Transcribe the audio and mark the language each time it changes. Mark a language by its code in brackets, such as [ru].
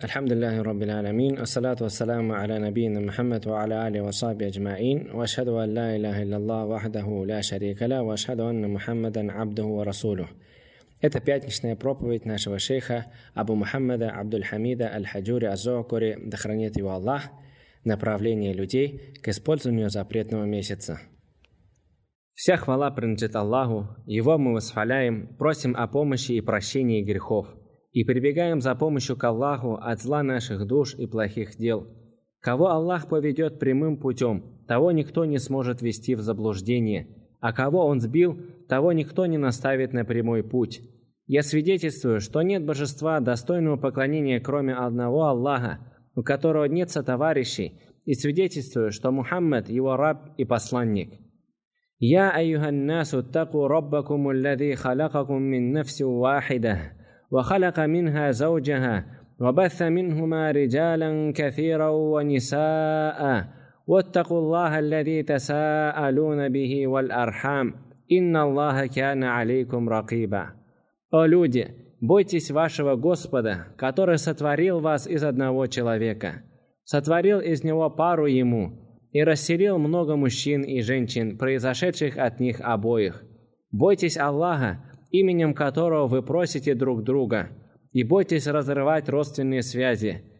[ar] الحمد لله رب العالمين، والصلاة والسلام على نبينا محمد وعلى آله وصحبه أجمعين. وأشهد أن لا إله إلا الله وحده لا شريك له، وأشهد أن محمدا عبده ورسوله. [ru] Это пятничная проповедь нашего шейха Абу Мухаммада Абдул-Хамида Аль-Хаджури Аз-Зоукури, да хранит его Аллах, направление людей к использованию запретного месяца. Вся хвала принадлежит Аллаху, Его мы восхваляем, просим о помощи и прощении грехов. И прибегаем за помощью к Аллаху от зла наших душ и плохих дел. Кого Аллах поведет прямым путем, того никто не сможет вести в заблуждение. А кого Он сбил, того никто не наставит на прямой путь. Я свидетельствую, что нет божества, достойного поклонения, кроме одного Аллаха, у которого нет сотоварищей, и свидетельствую, что Мухаммад – его раб и посланник. [ar] «Я, айюха ннасу, таку раббакуму, лязи халакакум мин нафсю вахида». وخلق منها زوجها وبث منهما رجالا كثيرا ونساء واتقوا الله الذي تساءلون به والأرحام إن الله كان عليكم رقيبا. [ru] О люди, бойтесь вашего Господа, который сотворил вас из одного человека, сотворил из него пару ему и расселил много мужчин и женщин, произошедших от них обоих. Бойтесь Аллаха, именем которого вы просите друг друга, и бойтесь разрывать родственные связи.